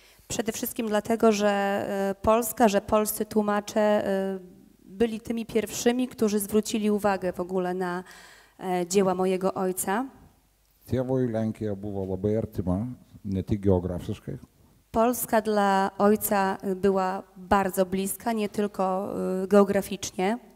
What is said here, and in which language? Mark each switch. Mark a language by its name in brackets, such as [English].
[Polish] Przede wszystkim dlatego, że Polska, że polscy tłumacze byli tymi pierwszymi, którzy zwrócili uwagę w ogóle na dzieła mojego ojca. [Lithuanian] Tėvo į Lenkiją buvo labai artima, ne tik geografiškai. [Polish] Polska dla ojca była bardzo bliska, nie tylko geograficznie.